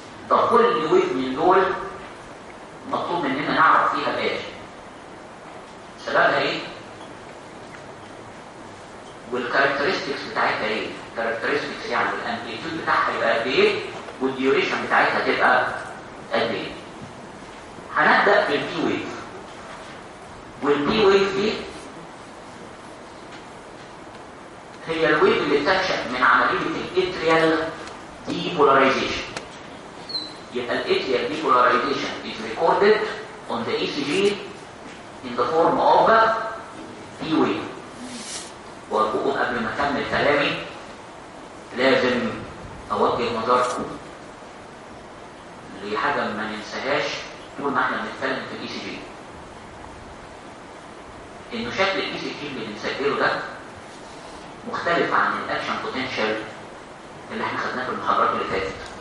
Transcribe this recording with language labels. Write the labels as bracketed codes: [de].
[ar] طب كل ويف من دول مطلوب مننا نعرف فيها باشا سببها ايه؟ والكاركترستكس بتاعتها ايه؟ الكاركترستكس يعني الامبليتيود بتاعها يبقى قد ايه؟ والديوريشن بتاعتها تبقى قد ايه؟ هنبدا بالبي ويف. والبي ويف دي هي الويف اللي بتنشا من عمليه الاتريال دي بولاريزيشن. [en] يبقى الاتريال depolarisation is recorded on the ECG in the form of a P wave. [ar] وأرجوكم قبل ما أكمل كلامي لازم أوجه نظركم لحاجة ما ننساهاش طول ما إحنا بنتكلم في الإي سي جي. إنه شكل الإي سي جي اللي بنسجله ده مختلف عن الأكشن بوتنشال اللي إحنا خدناه في المحاضرات اللي فاتت.